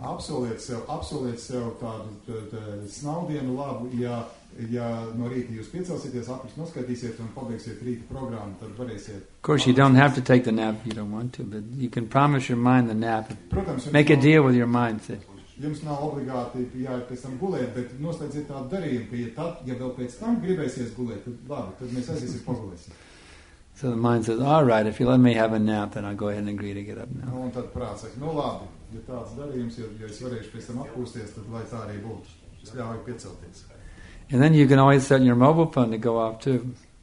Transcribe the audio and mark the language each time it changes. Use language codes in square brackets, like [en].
[lv] Absolūti sev tādu snaudienu labu, ja no rīta jūs piecelsieties, apriks noskaitīsiet un pabeigsiet rīta programmu, tad varēsiet. [en] Of course, you don't have to take the nap if you don't want to, but you can promise your mind the nap. [lv] Protams, [en] make a deal with your mind, say. [lv] Jums nav obligāti pēc tam gulēt, bet noslēdziet tādu darījumu, ja tad, ja vēl pēc tam gribēsies gulēt, tad labi, tad mēs aiziesim pagulēsim. [en] So the mind says, all right, if you let me have a nap, then I'll go ahead and agree to get up now. [lv] Un tad prāts saka, nu labi, ja tāds darījums, ja es varēšu pēc tam atpūsties, tad lai tā arī būtu. Es ļauju piecelties. [en] And then you can always set your mobile phone to go off too.